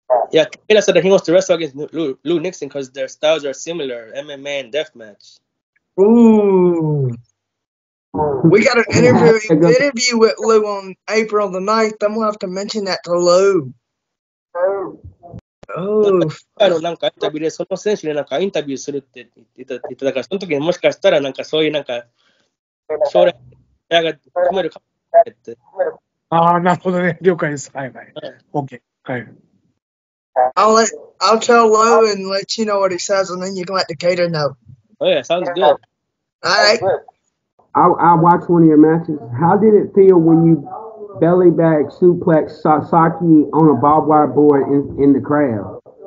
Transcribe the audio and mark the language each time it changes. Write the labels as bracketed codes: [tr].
[en] Yeah, Kira said that he wants to wrestle against Lou Nixon because their styles are similar, MMA and deathmatch. Ooh. We got an interview with Lou on April the 9th. I'm gonna have to mention that to Lou. Oh. [ja] あのなんかインタビューでその選手でなんかインタビューするって言ってたから、その時にもしかしたらなんかそういうなんか将来が組めるかもしれないって。ああ、なるほどね。了解です。はいはい。OK。 はい。 [en] I'll tell Lou and let you know what he says and then you can let Decatur know. Oh yeah, sounds good. Alright. I watched one of your matches. How did it feel when you belly bag suplex Sasaki on a barbed wire board in the crowd?